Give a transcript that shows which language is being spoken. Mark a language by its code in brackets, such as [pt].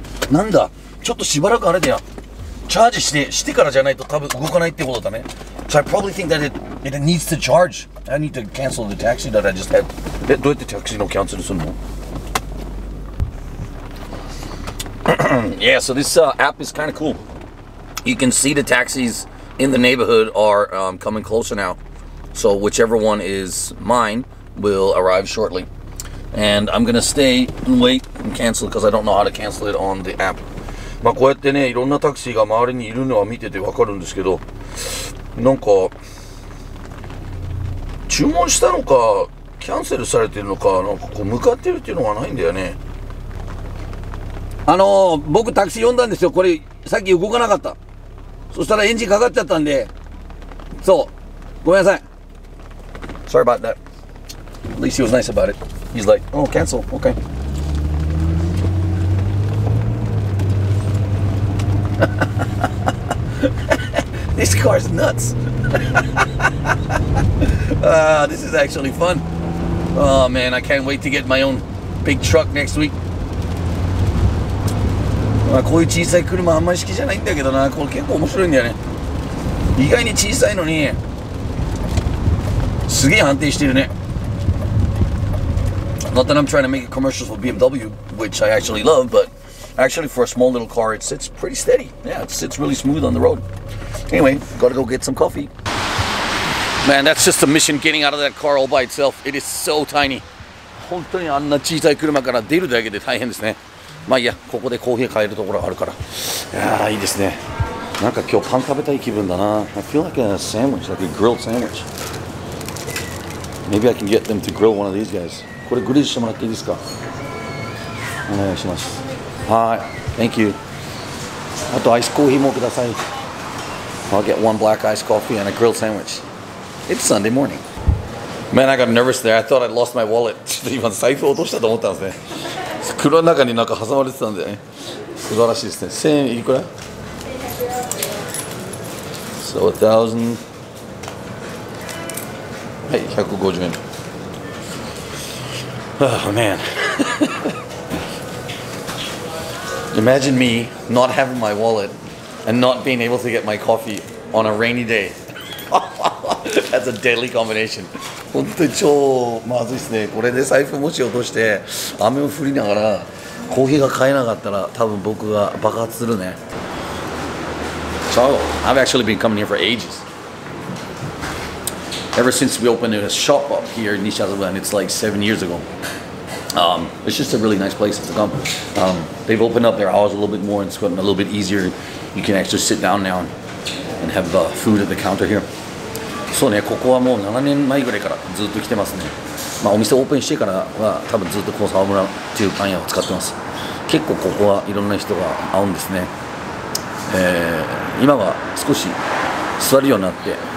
[ja] なんだ、ちょっとしばらくあれだよ。チャージして、してからじゃないと多分動かないってことだね。 [en] So I probably think that it needs to charge. I need to cancel the taxi that I just had. [ja] え、どうやってタクシーのキャンセルするの [en] Yeah, so this app is kind of cool. You can see the taxis in the neighborhood are coming closer now. So whichever one is mine will arrive shortly. And I'm gonna stay and wait and cancel because I don't know how to cancel it on the app. [ja] まあこうやってね、いろんなタクシーが周りにいるのは見ててわかるんですけど、なんか注文したのかキャンセルされてるのか、なんかこう向かってるっていうのがないんだよね。僕タクシー呼んだんですよ。これさっき動かなかった。そしたらエンジンかかっちゃったんで、そう、ごめんなさい。 [en] Sorry about that. At least he was nice about it. He's like, oh, cancel, okay. This car's nuts. this is actually fun. Oh man, I can't wait to get my own big truck next week. [ja] こういう小さい車あんまり好きじゃないんだけどな。これ結構面白いんだよね。意外に小さいのに、すげえ安定してるね。 [en] Not that I'm trying to make a commercial for BMW, which I actually love, but actually for a small little car, it sits pretty steady. Yeah, it sits really smooth on the road. Anyway, gotta go get some coffee. Man, that's just a mission getting out of that car all by itself. It is so tiny. [ja] 本当にあんな小さい車から出るだけで大変ですね。まあいいや、ここでコーヒー買えるところあるから。いやー、いいですね。なんか今日パン食べたい気分だな。 [en] I feel like a sandwich, like a grilled sandwich. Maybe I can get them to grill one of these guys. [ja] これグリルしてもらっていいですか。お願いします。はい、 [en] Thank you。 [ja] あとアイスコーヒーもください。 [en] I'll get one black iced coffee and a grilled sandwich. It's Sunday morning. Man, I got nervous there. I thought I'd lost my wallet. [ja] ちょっと今財布落としたと思ったんですね。袋の中になんか挟まれてたんでね。素晴らしいですね。1000円いくら [en] ？So 1000。 [ja] はい、150円。 [en] Oh man. Imagine me not having my wallet and not being able to get my coffee on a rainy day. That's a deadly combination. [ja] 本当に超まずいですね。これで財布もし落として雨を降りながらコーヒーが買えなかったら多分僕が爆発するね。 [en] So, I've actually been coming here for ages. Ever since we opened a shop up here in Nishazawa, and it's like 7 years ago. It's just a really nice place to come. They've opened up their hours a little bit more and it's gotten a little bit easier. You can actually sit down now and have food at the counter here. [ja] そうね、ここはもう7年前ぐらいからずっと来てますね。まあお店オープンしてからは多分ずっとこの沢村っていうパン屋を使ってます。結構ここはいろんな人が会うんですね。今は少し座るようになって、